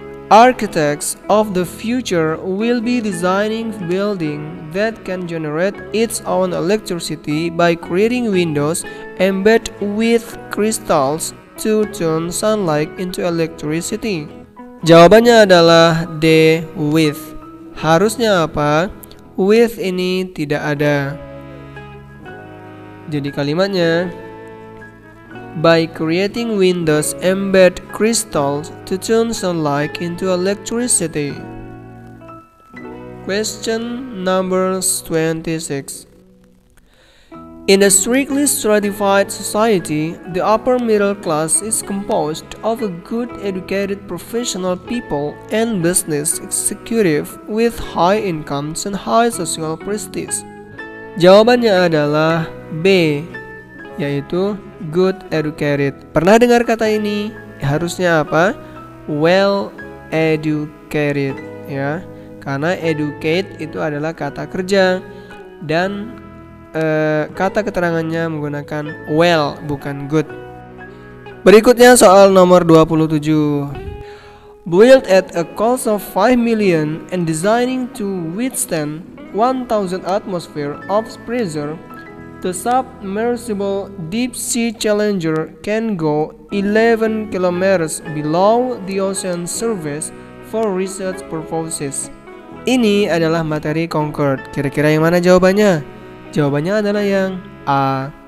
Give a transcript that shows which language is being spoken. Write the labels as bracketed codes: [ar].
[en] Architects of the future will be designing buildings that can generate its own electricity by creating windows embedded with crystals to turn sunlight into electricity. [id] Jawabannya adalah D, with. Harusnya apa? With ini tidak ada. Jadi kalimatnya, [en] by creating windows embed crystals to turn sunlight into electricity. Question number 26. In a strictly stratified society, the upper middle class is composed of a good educated professional people and business executive with high incomes and high social prestige. [id] Jawabannya adalah B, yaitu good educated. Pernah dengar kata ini? Harusnya apa? Well educated, ya. Karena educate itu adalah kata kerja dan kata keterangannya menggunakan well, bukan good. Berikutnya soal nomor 27. [en] Built at a cost of 5 million and designing to withstand 1000 atmosphere of pressure, the submersible deep sea Challenger can go 11 kilometers below the ocean surface for research purposes. [id] Ini adalah materi Concord. Kira-kira yang mana jawabannya? Jawabannya adalah yang A.